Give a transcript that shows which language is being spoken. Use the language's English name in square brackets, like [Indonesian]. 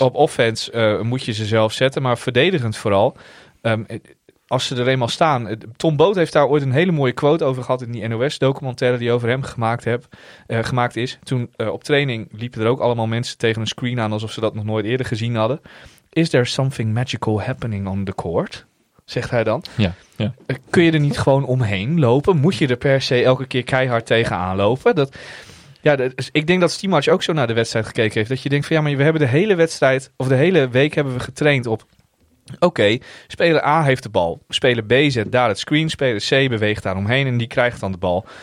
[Dutch] Op offense moet je ze zelf zetten, maar verdedigend vooral. Als ze er eenmaal staan. Tom Boot heeft daar ooit een hele mooie quote over gehad in die NOS-documentaire die over hem gemaakt is. Toen op training liepen er ook allemaal mensen tegen een screen aan alsof ze dat nog nooit eerder gezien hadden. [English] Is there something magical happening on the court? [Dutch] Zegt hij dan. Ja, ja. Kun je er niet gewoon omheen lopen? Moet je er per se elke keer keihard tegenaan lopen? Ik denk dat Stiemarch ook zo naar de wedstrijd gekeken heeft. Dat je denkt van ja, maar we hebben de hele wedstrijd of de hele week hebben we getraind op Oké, speler A heeft de bal. Speler B zet daar het screen. Speler C beweegt daar omheen en die krijgt dan de bal.